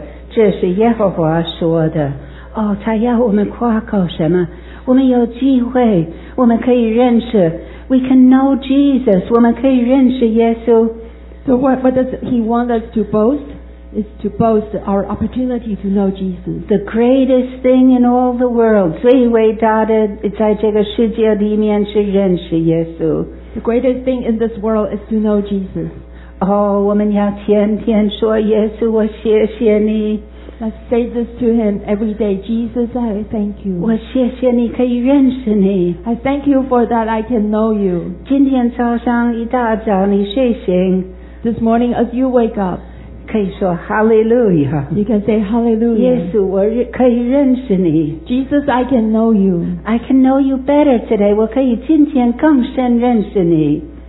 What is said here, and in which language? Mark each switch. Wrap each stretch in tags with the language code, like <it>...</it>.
<zh>这是耶和华说的。哦，他要我们夸口什么？我们有机会，我们可以认识。</zh> <en>We can know Jesus.</en> <zh>我们可以认识耶稣。</zh> <en>So what does he want us to boast? Is to boast our opportunity to know Jesus. The greatest thing in all the world,</en> <zh>最伟大的在这个世界里面是认识耶稣。</zh> <en>The greatest thing in this world is to know Jesus.</en> <zh>Oh, 我们要天天说耶稣，我谢谢你。</zh> <en>Let's say this to him every day. Jesus, I thank you.</en> <zh>我谢谢你可以认识你。</zh> <en>I thank you for that I can know you.</en> <zh>今天早上一大早你睡醒。</zh> <en>This morning as you wake up.</en> <zh>可以说 Hallelujah.</zh> <en>You can say Hallelujah.</en> <zh>耶稣，我可以认识你。</zh> <en>Jesus, I can know you. I can know you better today.</en> <zh>我可以今天更深认识你。</zh>